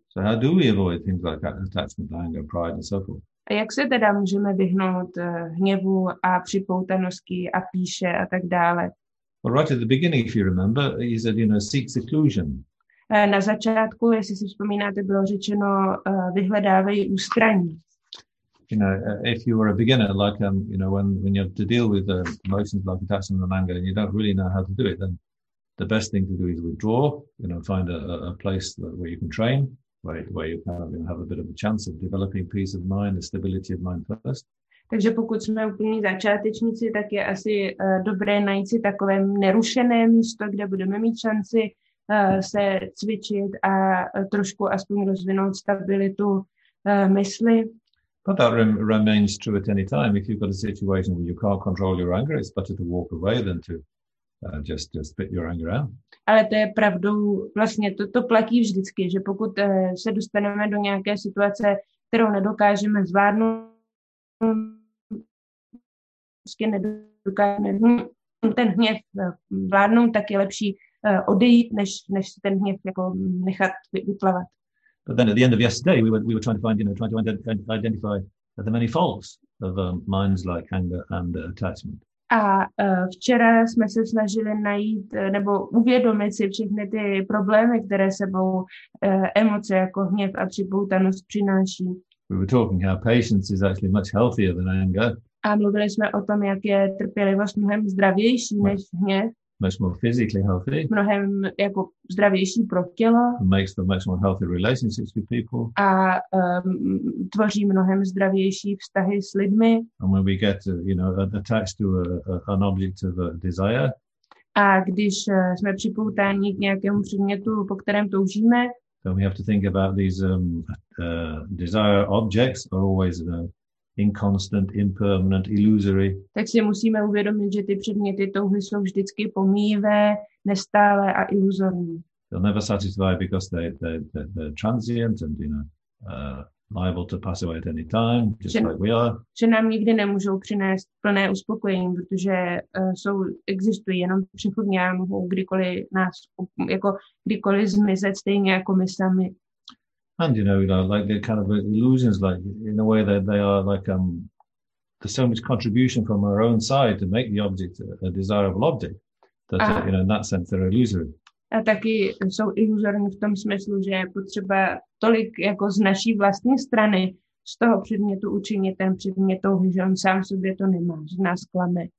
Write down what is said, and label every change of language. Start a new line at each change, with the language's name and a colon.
English: So how do we avoid things like attachment, anger, pride and so forth?
Czech: A jak se teda můžeme vyhnout hněvu a připoutanosti a píše a tak dále?
English: Well, right at the beginning, if you remember, he said, you know, seek seclusion.
Czech: Na začátku, jestli si vzpomínáte, bylo řečeno, vyhledávej ústraní.
English: You know, if you were a beginner, like you know, when you have to deal with emotions like attachment and anger, and you don't really know how to do it, then the best thing to do is withdraw. You know, find a place that, where you can train, where you kind of, you know, have a bit of a chance of developing peace of mind, the stability of mind first.
Czech: Takže pokud jsme úplní začátečníci, tak je asi dobré najít si takové nerušené místo, kde budeme mít šanci se cvičit a trošku aspoň rozvinout stabilitu mysli.
English: But that remains true at any time. If you've got a situation where you can't control your anger, it's better to walk away than to just spit your anger out.
Czech: Ale to je pravdou, vlastně to platí vždycky, že pokud se dostaneme do nějaké situace, kterou nedokážeme zvládnout, vždycky nedokážeme ten hněv vládnout, tak je lepší odejít, než ten hněv jako nechat vyplavat.
English: But then at the end of yesterday, we were trying to find, you know, trying to identify the many faults of minds like anger and attachment.
Czech: A včera jsme se snažili najít nebo uvědomit si všechny ty problémy, které sebou emoce jako hněv a připoutanost přináší.
English: We were talking how patience is actually much healthier than anger.
Czech: A mluvili jsme o tom, jak je trpělivost mnohem zdravější než hněv.
English: Much more physically healthy.
Czech: Mnohem jako zdravější pro tělo.
English: Makes the much more healthy relationships with people.
Czech: A tvoří mnohem zdravější vztahy s lidmi.
English: And when we get, you know, attached to an object of a desire.
Czech: A když jsme připoutáni k nějakému předmětu, po kterém toužíme.
English: Then we have to think about these desire objects are always inconstant, impermanent, illusory.
Czech: Tak si musíme uvědomit, že ty předměty touhy jsou vždycky pomíjivé, nestálé a iluzorní.
English: They'll never satisfy because they're transient and, you know, liable to pass away at any time, just like we are.
Czech: Že nám nikdy nemůžou přinést plné uspokojení, protože existují jenom přechodně a mohou kdykoliv nás, jako kdykoliv zmizet, stejně jako my sami.
English: And you know, like they're kind of illusions, like in a way that they are like there's so much contribution from our own side to make the object a desirable object that in that sense they're illusory.
Czech: A taky jsou iluzorní v tom smyslu, že je potřeba tolik jako z naší vlastní strany, z toho předmětu učení ten předmět toho, že on sám sobě to nemá, že nás klame.